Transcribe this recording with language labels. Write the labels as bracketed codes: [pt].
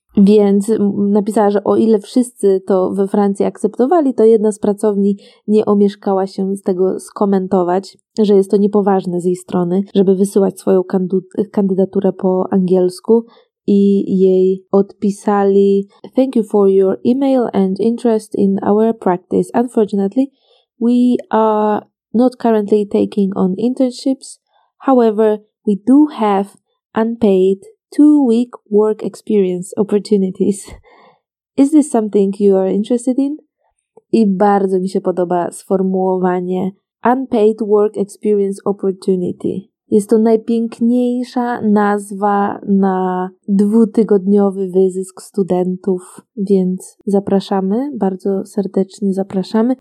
[pl] Więc napisała, że o ile wszyscy to we Francji akceptowali, to jedna z pracowni nie omieszkała się z tego skomentować, że jest to niepoważne z jej strony, żeby wysyłać swoją kandydaturę po angielsku i jej odpisali: "Thank you for your email and interest in our practice. [en] Unfortunately, we are not currently taking on internships. However, we do have unpaid 2-week work experience opportunities. Is this something you are interested in?" [pl] I bardzo mi się podoba sformułowanie unpaid work experience opportunity. Jest to najpiękniejsza nazwa na 2-tygodniowy wyzysk studentów, więc zapraszamy, bardzo serdecznie zapraszamy.